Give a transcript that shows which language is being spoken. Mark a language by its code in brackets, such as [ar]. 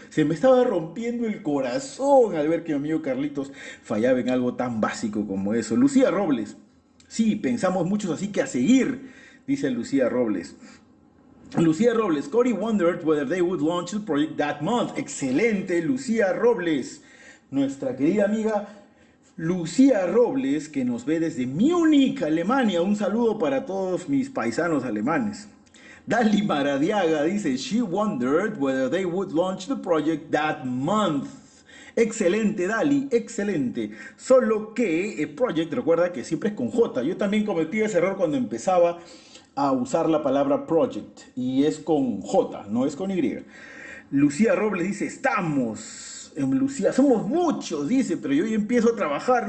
[es] Se me estaba rompiendo el corazón al ver que mi amigo Carlitos fallaba en algo tan básico como eso. Lucía Robles. Sí, pensamos muchos así que a seguir, dice Lucía Robles. [en] Lucía Robles, Cory wondered whether they would launch the project that month. [es] Excelente, Lucía Robles. Nuestra querida amiga Lucía Robles, que nos ve desde Múnich, Alemania. Un saludo para todos mis paisanos alemanes. [en] Dali Maradiaga dice: She wondered whether they would launch the project that month. [es] Excelente, Dali, excelente. Solo que project, recuerda que siempre es con J. Yo también cometí ese error cuando empezaba a usar la palabra project y es con J, no es con Y. Lucía Robles dice: Estamos en Lucía, somos muchos, dice, pero yo ya empiezo a trabajar.